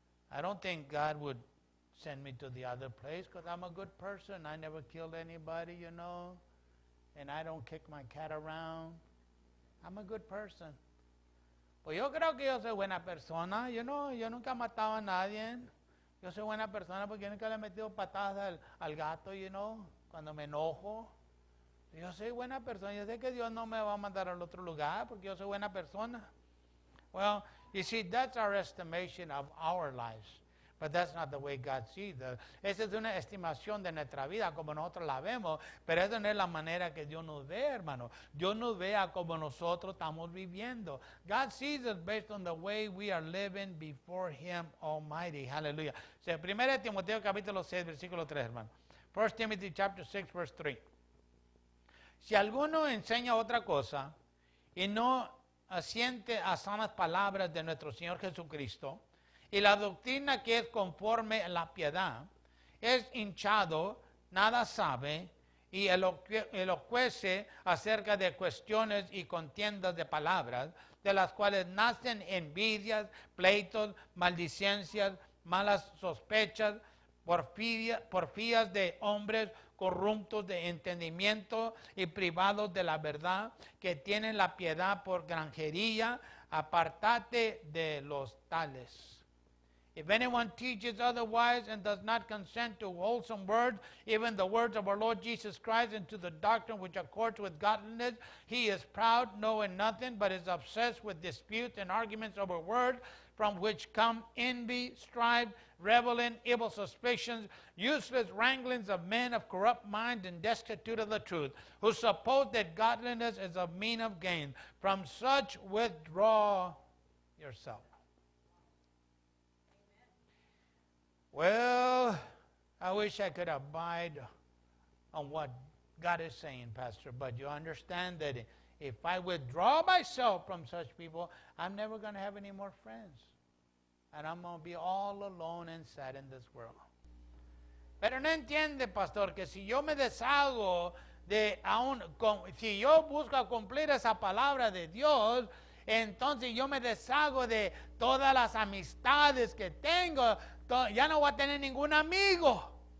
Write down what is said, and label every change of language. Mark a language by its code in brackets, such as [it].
[en] I don't think God would send me to the other place because I'm a good person. I never killed anybody, you know, and I don't kick my cat around. I'm a good person. [es] Pues yo creo que yo soy buena persona. [en] You know, [es] yo nunca he matado a nadie. Yo soy buena persona porque yo nunca le he metido patadas al gato, [en] you know, [es] cuando me enojo. Yo soy buena persona. Yo sé que Dios no me va a mandar al otro lugar porque yo soy buena persona. [en] Well, you see, that's our estimation of our lives. But that's not the way God sees us. [es] Esa es una estimación de nuestra vida, como nosotros la vemos. Pero esa no es la manera que Dios nos ve, hermano. Dios nos ve a como nosotros estamos viviendo. [en] God sees us based on the way we are living before him Almighty. Hallelujah. [es] So, 1 Timoteo capítulo 6, versículo 3, hermano. [en] 1 Timothy chapter 6, verse 3. [es] Si alguno enseña otra cosa y no asiente a sanas palabras de nuestro Señor Jesucristo y la doctrina que es conforme a la piedad, es hinchado, nada sabe y elocuece acerca de cuestiones y contiendas de palabras, de las cuales nacen envidias, pleitos, maldicencias, malas sospechas, porfías de hombres corruptos de entendimiento y privados de la verdad, que tienen la piedad por granjería. Apartate de los tales. [en] If anyone teaches otherwise and does not consent to wholesome words, even the words of our Lord Jesus Christ, and to the doctrine which accords with godliness, he is proud, knowing nothing, but is obsessed with disputes and arguments over words, from which come envy, strife, reveling, evil suspicions, useless wranglings of men of corrupt mind and destitute of the truth, who suppose that godliness is a mean of gain. From such withdraw yourself. Well, I wish I could abide on what God is saying, Pastor, but you understand that if I withdraw myself from such people, I'm never going to have any more friends. And I'm going to be all alone and sad in this world. [es] Pero no entiende, Pastor, que si yo me deshago de aún, si yo busco cumplir esa palabra de Dios, entonces yo me deshago de todas las amistades que tengo, ya no voy a tener ningún amigo.